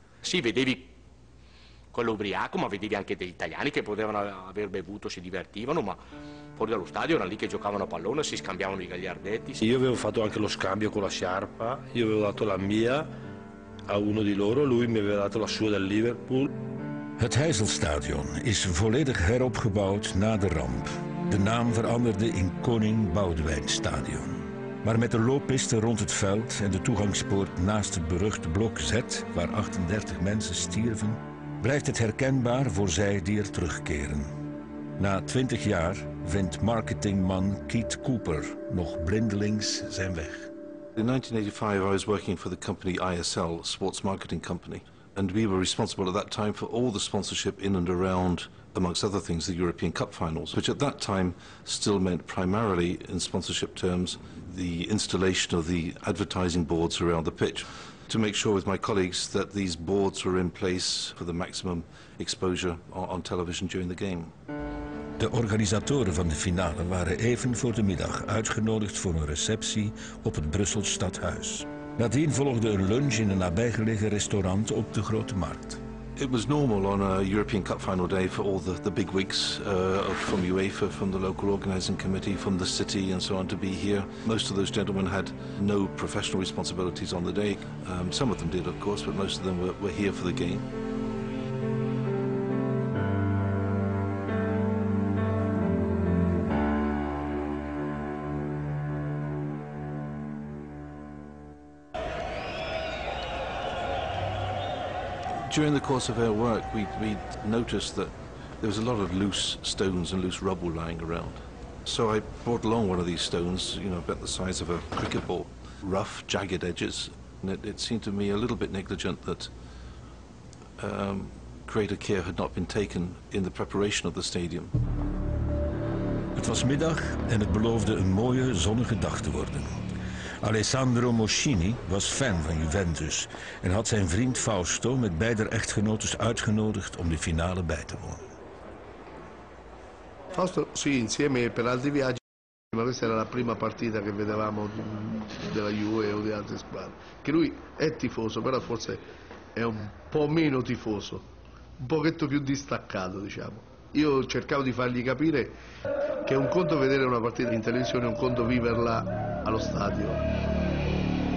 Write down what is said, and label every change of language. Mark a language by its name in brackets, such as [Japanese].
[Italian] Sì, vedevi quello ubriaco, ma vedevi anche degli italiani che potevano aver bevuto, si divertivano, ma fuori dallo stadio erano lì che giocavano a pallone, si scambiavano i gagliardetti. Io avevo fatto anche lo scambio con la sciarpa, io avevo dato la mia a uno di loro, lui mi aveva dato la sua del Liverpool. [Dutch] Het Heyselstadion is volledig heropgebouwd na de ramp. De naam veranderde in Koning Boudewijn Stadion. Maar met de looppiste rond het veld en de toegangspoort naast het beruchte blok Z, waar 38 mensen stierven, blijft het herkenbaar voor zij die er terugkeren. Na 20 jaar vindt marketingman Keith Cooper nog blindelings zijn weg. [English] In 1985 I was working for the company ISL, Sports Marketing Company, and we were responsible at that time for all the sponsorship in and around, amongst other things, the European Cup Finals, which at that time still meant primarily, in sponsorship terms, the installation of the advertising boards around the pitch to make sure with my colleagues that these boards were in place for the maximum exposure on television during the game. [Dutch] De organisatoren van de finale waren even voor de middag uitgenodigd voor een receptie op het Brussels stadhuis. Nadien volgde een lunch in een nabijgelegen restaurant op de Grote Markt. [English] It was normal on a European Cup final day for all the bigwigs from UEFA, from the local organizing committee, from the city and so on to be here. Most of those gentlemen had no professional responsibilities on the day. Some of them did, of course, but most of them were here for the game. During the course of our work, we noticed that there was a lot of loose stones and loose rubble lying around. So I brought along one of these stones, you know, about the size of a cricket ball. Rough, jagged edges. And it seemed to me a little bit negligent that greater care had not been taken in the preparation of the stadium. [Dutch] Het was middag en het beloofde een mooie zonnige dag te worden. Alessandro Moschini was fan van Juventus en had zijn vriend Fausto met beide echtgenotes uitgenodigd om de finale bij te wonen. [Italian] Fausto, sì, insieme per altri viaggi, ma questa era la prima partita che vedevamo della Juve o di altre squadre. Che lui è tifoso, però forse è un po' meno tifoso, un pochetto più distaccato, diciamo. Io cercavo di fargli capire che è un conto vedere una partita in televisione, un conto viverla allo stadio.